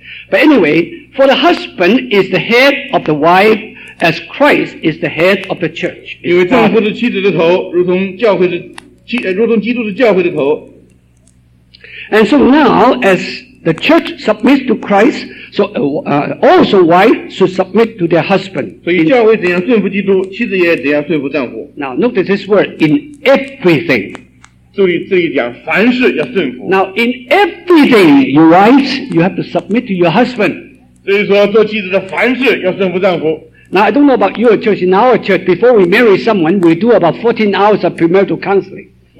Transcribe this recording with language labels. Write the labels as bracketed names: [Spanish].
[English] But anyway, for the husband is the head of the wife as Christ is the head of the church. And so now, as the church submits to Christ, so also wife should submit to their husband. [Chinese] 所以教会怎样顺服基督,妻子也怎样顺服丈夫。 [English] Now notice this word, in everything. [Chinese] 这里讲凡事要顺服。 [English] Now in everything, your wife, you have to submit to your husband. [Chinese] 所以说做妻子的凡事要顺服丈夫。 [English] Now I don't know about your church, in our church, before we marry someone, we do about 14 hours of premarital counseling.